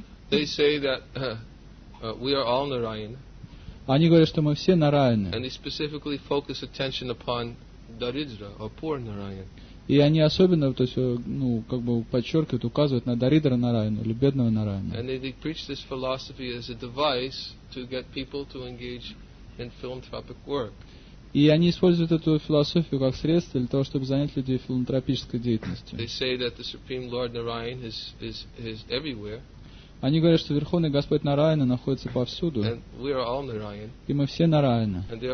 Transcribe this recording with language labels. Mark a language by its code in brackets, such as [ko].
[en] They say that we are all Narayan. [ru] Они говорят, что мы все Нараяны. [en] And they specifically focus attention upon Даридра, or poor Narayan. [ru] И они особенно, то есть, ну, как бы подчеркивают, указывают на Даридра Нараяна, или бедного Нараяна. [en] And they preach this philosophy as a device to get people to engage in philanthropic work. [ru] И они используют эту философию как средство для того, чтобы занять людей филантропической деятельностью. [en] They say that the Supreme Lord Narayan is everywhere. [ru] Они говорят, что Верховный Господь Нараяна находится повсюду. И мы все Нараяны.